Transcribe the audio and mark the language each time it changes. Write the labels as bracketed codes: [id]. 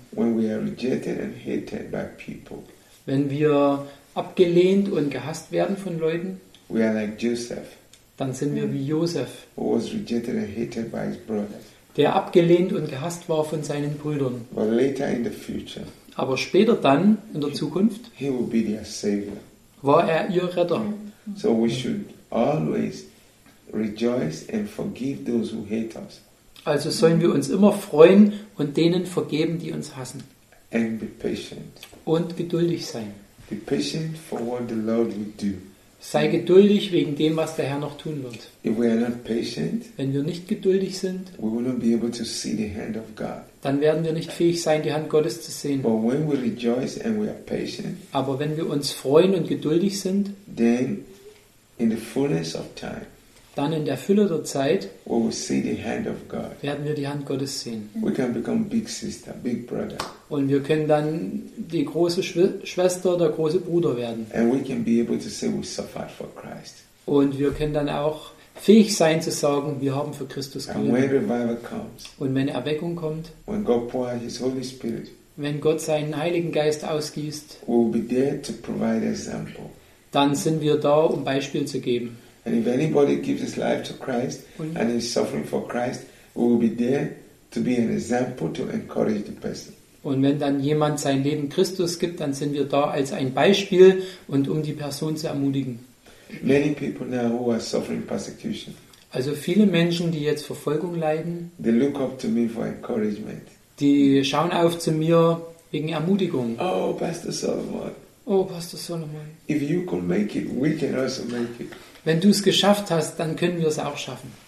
[en] When we are rejected and hated by people. [de] Wenn wir abgelehnt und gehasst werden von Leuten. [en] We are like Joseph. [de] Dann sind wir wie Joseph. [en] Who was rejected and hated by his brothers. [de] Der abgelehnt und gehasst war von seinen Brüdern. [en] But later in the future. [de] Aber später dann, in der Zukunft, [en] he will be their savior. [de] War er ihr Retter. [en] So we should always rejoice and forgive those who hate us. [de] Also sollen wir uns immer freuen und denen vergeben, die uns hassen. [en] And be patient. [de] Und geduldig sein. [en] Be patient for what the Lord will do. [de] Sei geduldig wegen dem, was der Herr noch tun wird. [en] If we are not patient, [de] wenn wir nicht geduldig sind, [en] we will not be able to see the hand of God. [de] Dann werden wir nicht fähig sein, die Hand Gottes zu sehen. [en] But when we rejoice and we are patient, [de] aber wenn wir uns freuen und geduldig sind, [en] then in the fullness of time, [de] dann in der Fülle der Zeit, [en] we will see the hand of God. [de] Werden wir die Hand Gottes sehen. [en] We can become big sister, big brother. [de] Und wir können dann die große Schwester oder große Bruder werden. [en] And we can be able to say we suffered for Christ. [de] Und wir können dann auch fähig sein zu sagen, wir haben für Christus gelitten. [en] And when revival comes, [de] und wenn Erweckung kommt, [en] when God pours his Holy Spirit, [de] wenn Gott seinen Heiligen Geist ausgießt, [en] we will be there to provide example. [de] Dann sind wir da, um Beispiel zu geben. [en] And if anybody gives his life to Christ and is suffering for Christ, we will be there to be an example to encourage the person. [de] Und wenn dann jemand sein Leben Christus gibt, dann sind wir da als ein Beispiel und um die Person zu ermutigen. [en] Many people now who are suffering persecution. [de] Also viele Menschen, die jetzt Verfolgung leiden, [en] they look up to me for encouragement. [de] Die schauen auf zu mir wegen Ermutigung. [en] Oh, Pastor Solomon. [de] Oh, Pastor Solomon. [en] If you could make it, we can also make it. [de] Wenn du es geschafft hast, dann können wir es auch schaffen.